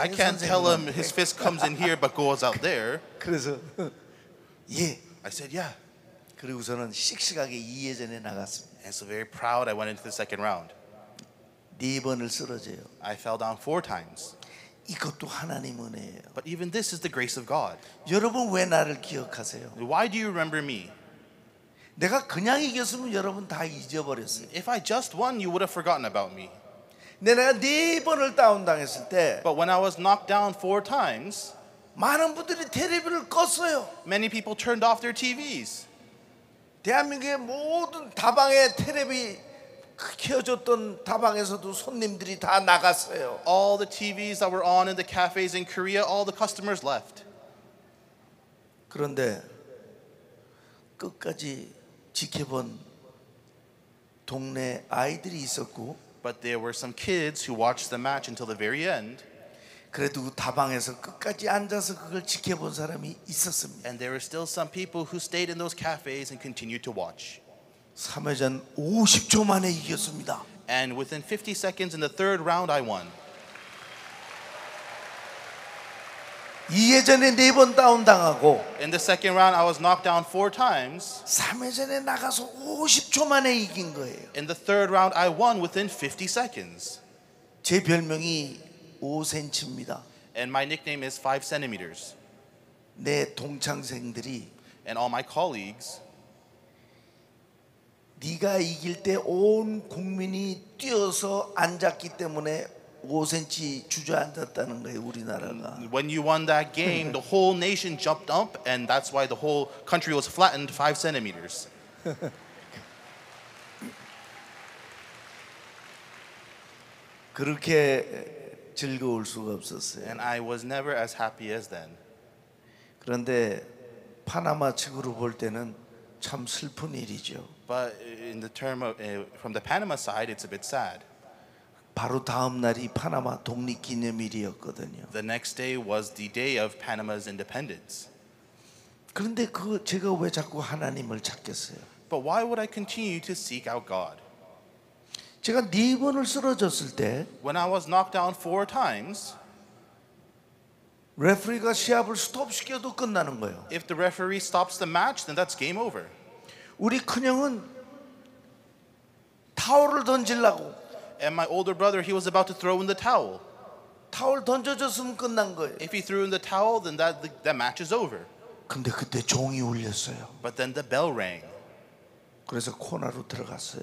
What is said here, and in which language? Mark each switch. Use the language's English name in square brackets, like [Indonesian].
[English] I can't tell him his fist comes in here but goes out there. [Korean] 그래서 예. [English] I said yeah. [Korean] 그리고 저는 씩씩하게 2회전에 나갔습니다. [English] And so very proud I went into the second round. [Korean] 네 번을 쓰러져요. [English] I fell down 4 times. [Korean] 이것도 하나님 은혜예요. [English] But even this is the grace of God. [Korean] 여러분 왜 나를 기억하세요? [English] Why do you remember me? [Korean] 내가 그냥 이겼으면 여러분 다 잊어버렸어요. [English] If I just won, you would have forgotten about me. [Korean] 내가 네 번을 다운당했을 때 [English] But when I was knocked down four times [Korean] 많은 분들이 텔레비를 껐어요. [English] Many people turned off their TVs. [Korean] 대한민국의 모든 다방에 텔레비 켜졌던 다방에서도 손님들이 다 나갔어요. [English] All the TVs that were on in the cafes in Korea, all the customers left. [Korean] 그런데 끝까지 지켜본 동네 아이들이 있었고 [English] But there were some kids who watched the match until the very end. [Korean] 그래도 다방에서 끝까지 앉아서 그걸 지켜본 사람이 있었습니다. [English] And there were still some people who stayed in those cafes and continued to watch. [Korean] 3회전 50초 만에 이겼습니다. [English] And within 50 seconds in the third round, I won. [Korean] 2회전에 네 번 다운 당하고 [English] In the second round, I was knocked down four times. [Korean] 3회전에 나가서 50초 만에 이긴 거예요. [English] In the third round, I won within 50 seconds. [Korean] 제 별명이 5cm입니다. [English] And my nickname is 5 centimeters. [Korean] 내 동창생들이 [English] And all my colleagues [Korean] 네가 이길 때 온 국민이 뛰어서 앉았기 때문에 5cm 주저앉았다는 거예요, 우리나라가. [English] When you won that game, the whole nation jumped up, and that's why the whole country was flattened 5 centimeters. [Korean] 그렇게 즐거울 수가 없었어요. [English] And I was never as happy as then. [Korean] 그런데 파나마 측으로 볼 때는 참 슬픈 일이죠. [English] But in the term of, from the Panama side, it's a bit sad. [Korean] 바로 다음 날이 파나마 독립기념일이었거든요. [English] The next day was the day of Panama's independence. [Korean] 그런데 그 제가 왜 자꾸 하나님을 찾겠어요? [English] But why would I continue to seek out God? [Korean] 제가 네 번을 쓰러졌을 때, [English] when I was knocked down four times, [Korean] 레프리가 시합을 스톱시켜도 끝나는 거예요. [English] If the referee stops the match, then that's game over. [Korean] 우리 큰형은 타월을 던지려고 [English] And my older brother, he was about to throw in the towel. [Korean] 타월 던져줬으면 끝난 거예요. [English] If he threw in the towel, then that match is over. [Korean] 근데 그때 종이 울렸어요. [English] But then the bell rang. [Korean] 그래서 코너로 들어갔어요.